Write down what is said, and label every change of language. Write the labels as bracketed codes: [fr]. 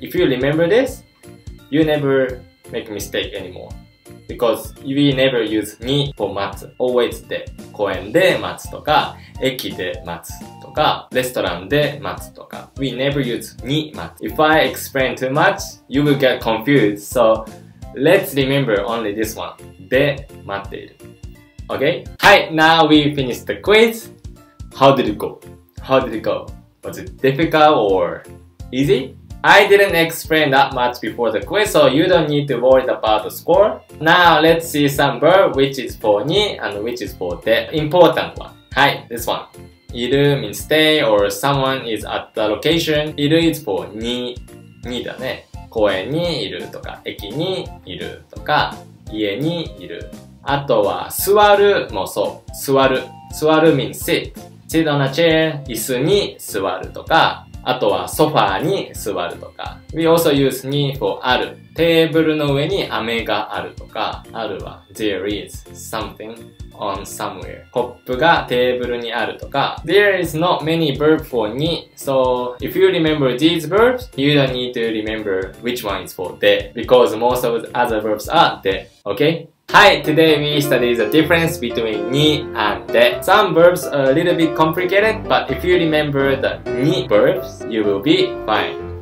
[en] If you remember this, you never make a mistake anymore. Because we never use に for 待つ.Always で. [ja] 公園で待つとか、駅で待つ。とか、レストランで待つとか。 [en] We never use に待つ。 If I explain too much, you will get confused. So, let's remember only this one. [ja] で待っている。 [en] Okay? はい、now we finished the quiz. How did it go? Was it difficult or easy? I didn't explain that much before the quiz, so you don't need to worry about the score. Now, let's see some verb, which is for にand which is for で。 Important one. はい、this one. いる means stay or someone is at the location. [ja] いる is for に。にだね。公園にいるとか、駅にいるとか、家にいる。あとは座るもそう。座る。 [en] 座る means sit. Sit on a chair. [ja] 椅子に座るとか、あとはソファーに座るとか。 [en] We also use knee for ある。 [ja] テーブルの上に飴があるとか。 [en] あるは There is something on somewhere。 [ja] コップがテーブルにあるとか。 [en] There is not many verbs for knee. So if you remember these verbs, you don't need to remember which one is for the. Because most of the other verbs are the. Okay? はい、Today we study the difference between に and で。 Some verbs are a little bit complicated, but if you remember the に verbs, you will be fine.